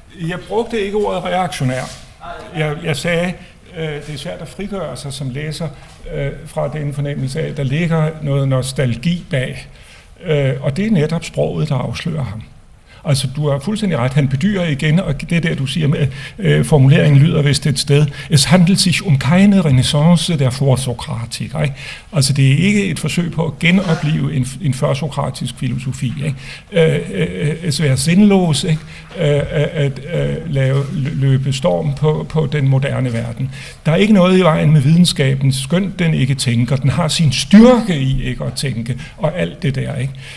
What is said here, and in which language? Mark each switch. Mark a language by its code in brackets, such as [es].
[da] Jeg brugte ikke ordet reaktionær. Jeg sagde, det er svært at frigøre sig som læser fra den fornemmelse af, at der ligger noget nostalgi bag. Og det er netop sproget, der afslører ham. Altså, du har fuldstændig ret. Han bedyrer igen, og det der, du siger med formuleringen, lyder vist et sted. [de] Es handelt sich um keine renaissance der vorsokratik. [da] Altså, det er ikke et forsøg på at genopleve en førsokratisk filosofi. Altså, være sindlås, ikke? Løbe storm på den moderne verden. Der er ikke noget i vejen med videnskaben, skønt den ikke tænker. Den har sin styrke i ikke at tænke, og alt det der, ikke?